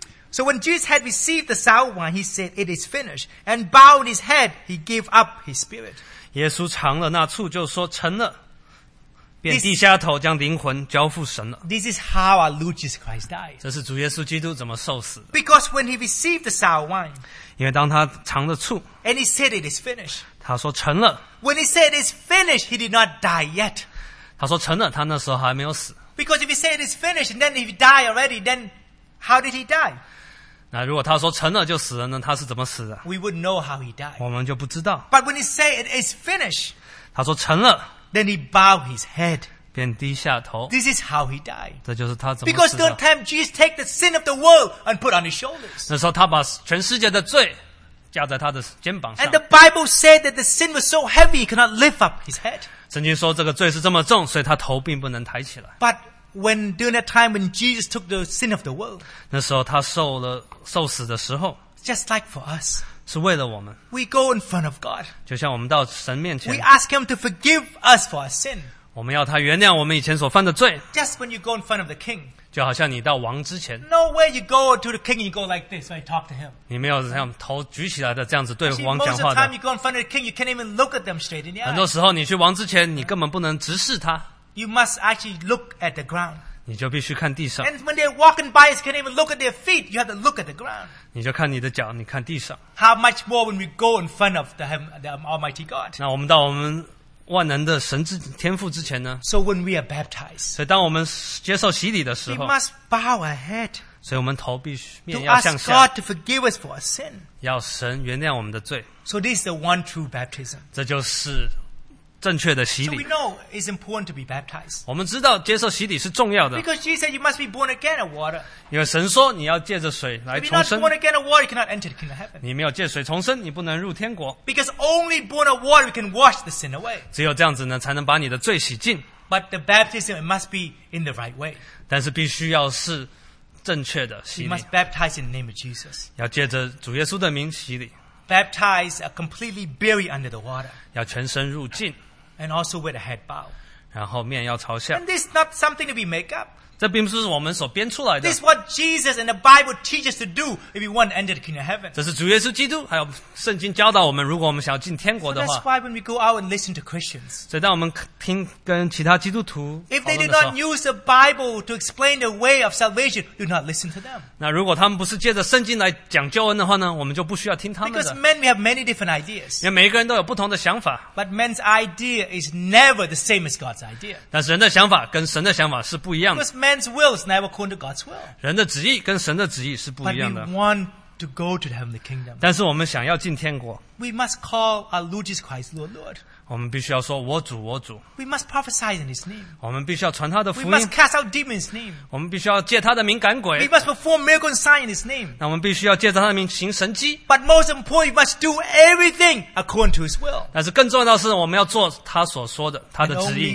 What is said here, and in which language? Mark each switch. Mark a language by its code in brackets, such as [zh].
[en] So when Jesus had received the sour wine, he said, "It is finished." And bowed his head, he gave up his spirit. [zh] 耶稣尝了那醋，就说成了，便低下头，将灵魂交付神了。 [en] This is how our Lord Jesus Christ died. [zh] 这是主耶稣基督怎么受死的。 [en] Because when he received the sour wine, [zh] 因为当他尝了醋 [en] ，and he said, "It is finished." [zh] 他说成了。 [en] When he said, "It is finished," he did not die yet. [zh] 他说成了，他那时候还没有死。 [en] Because if he said, "It is finished," and then if he died already, then how did he die? [zh] 那如果他说成了就死了呢？他是怎么死的 [en] ？We wouldn't know how he died. [zh] 我们就不知道。 [en] But when he say it is finished, [zh] 他说成了 [en] ，then he bowed his head. [zh] 便低下头。 [en] This is how he died. [zh] 这就是他怎么死的。 [en] Because during time Jesus take the sin of the world and put on his shoulders. [zh] 那时候他把全世界的罪架在他的肩膀上。 [en] And the Bible said that the sin was so heavy he could not lift up his head. [zh] 圣经说这个罪是这么重，所以他头并不能抬起来。 [en] But when during that time when Jesus took the sin of the world, [zh] 那时候他受了受死的时候 [en] ，just like for us, [zh] 是为了我们。 [en] We go in front of God, [zh] 就像我们到神面前。 [en] We ask Him to forgive us for our sin. [zh] 我们要他原谅我们以前所犯的罪。 [en] Just when you go in front of the king, [zh] 就好像你到王之前。 [en] No way you go to the king, you go like this when you talk to him. [zh] 你没有像头举起来的这样子对王讲话的。 [en] Most of the time you go in front of the king, you can't even look at them straight in the eye. [zh] 很多时候你去王之前，你根本不能直视他。 [en] You must actually look at the ground. [zh] 你就必须看地上。 [en] And when they're walking by, you can't even look at their feet. You have to look at the ground. [zh] 你就看你的脚，你看地上。 [en] How much more when we go in front of the Almighty God? [zh] 那我们到我们万能的神之天父之前呢 [en] ？So when we are baptized, [zh] 所以当我们接受洗礼的时候 [en] ，we must bow our head. [zh] 所以我们头必须面要向下。 [en] To ask God to forgive us for our sin. [zh] 要神原谅我们的罪。 [en] So this is the one true baptism. [zh] 这就是。正确的洗礼。 [en] So we know it's important to be baptized. [zh] 我们知道接受洗礼是重要的。 [en] Because Jesus said you must be born again of water. [zh] 因为神说你要借着水来重生。 [en] If you're not born again of water, you cannot enter the kingdom of heaven. [zh] 你没有借水重生，你不能入天国。 [en] Because only born of water, we can wash the sin away. [zh] 只有这样子呢，才能把你的罪洗净。 [en] But the baptism it must be in the right way. [zh] 但是必须要是正确的洗礼。 [en] You must baptize in the name of Jesus. [zh] 要借着主耶稣的名洗礼。 [en] Baptize completely buried under the water. [zh] 要全身入浸。 [en] And also with a head bow. [zh] 然后面要朝下, [en] and this is not something to be make up. [zh] 这并不是我们所编出来的, [en] this is what Jesus and the Bible teach us to do if we want to enter the kingdom of heaven. [zh] 这是主耶稣基督, 还有圣经教导我们, 如果我们想要进天国的话, [en] so that's why when we go out and listen to Christians, [zh] 所以当我们听跟其他基督徒, [en] if they do not use the Bible to explain the way of salvation, do not listen to them. [zh] 那如果他们不是借着圣经来讲救恩的话呢, 我们就不需要听他们的, [en] because men may have many different ideas, [zh] 因为每一个人都有不同的想法, [en] but men's idea is never the same as God's idea. [zh] 但是人的想法跟神的想法是不一样的, [en] because man's will is never according to God's will. [zh] 人的旨意跟神的旨意是不一样的, [en] but we want to go to the heavenly kingdom. [zh] 但是我们想要进天国, [en] we must call our Lord Jesus Christ Lord, Lord. [zh] 我们必须要说, 我主, 我主, [en] we must prophesy in his name. [zh] 我们必须要传他的福音, [en] we must cast out demons in his name. [zh] 我们必须要借他的名赶鬼, [en] we must perform miracles and signs in his name. [zh] 那我们必须要借着他的名行神迹, [en] but most important, we must do everything according to his will. [zh] 但是更重要的是我们要做他所说的, 他的旨意,